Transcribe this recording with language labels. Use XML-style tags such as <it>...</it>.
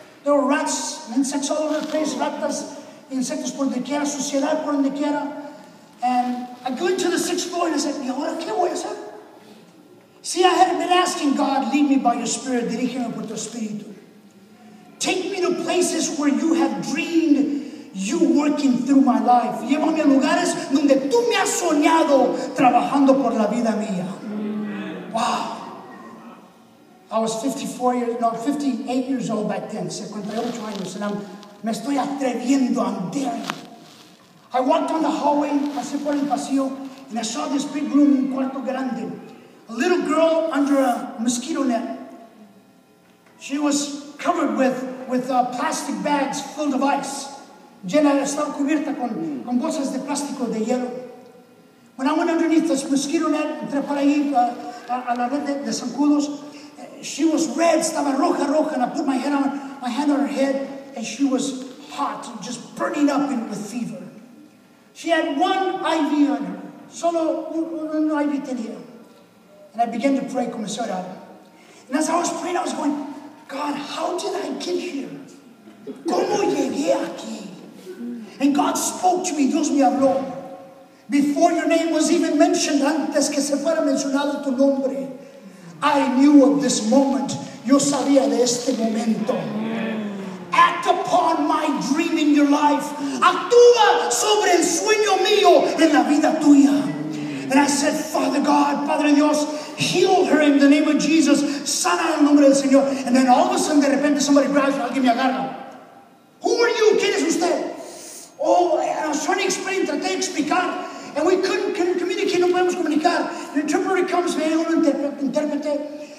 <en>There were rats, insects all over the place,</en> <es>ratas, insectos por donde quiera,</es> <en>suciedad por donde quiera. And I go into the sixth floor and I said,</en> <es>¿y ahora qué voy a hacer?</es> <en>See, I had been asking God, lead me by your spirit,</en> <es>dirígeme por tu espíritu.</es> <en>Take me to places where you have dreamed you working through my life.</en> <es>Llévame a lugares donde tú me has soñado trabajando por la vida mía.</es> <en>Wow. I was 58 years old back then,</en> <es>58 años,</es> <en>and</en> <es>me estoy atreviendo,</es> <en>I'm daring. I walked down the hallway,</en> <es>pasé por el pasillo,</es> <en>and I saw this big room,</en> <es>un cuarto grande.</es> <en>A little girl under a mosquito net. She was covered with plastic bags filled of ice.</en> <es>Llena, estaba cubierta con bolsas de plástico de hielo.</es> <en>When I went underneath this mosquito net,</en> <es>entré para ahí a la red de zancudos.</es> <en>She was red,</en> <es>estaba roja, roja,</es> <en>and I put my hand on her head, and she was hot, just burning up with fever. She had one IV on her,</en> <es>solo un IV tenía.</es> <en>And I began to pray,</en> <es>comencé a orar.</es> <en>And as I was praying, I was going, God, how did I get here?</en> <es>¿Cómo llegué aquí?</es> <en>And God spoke to me,</en> <es>Dios me habló.</es> <en>Before your name was even mentioned,</en> <es>antes que se fuera mencionado tu nombre,</es> <en>I knew of this moment.</en> <es>Yo sabía de este momento.</es> <en>Act upon my dream in your life.</en> <es>Actúa sobre el sueño mío en la vida tuya.</es> <en>And I said, Father God, Padre Dios, heal her in the name of Jesus.</en> <es>Sana en el nombre del Señor.</es> <en>And then all of a sudden,</en> <es>de repente,</es> <en>somebody grabs me.</en> <es>Alguien me agarra.</es> <en>Who are you?</en> <es>¿Quién es usted?</es> <en>Oh, and I was trying to explain.</en> <es>Traté de explicar.</es> <en>And we couldn't communicate.</en> <es>No podemos comunicar.</es> <en>An interpreter comes,</en> <es>me llega un intérprete.</es>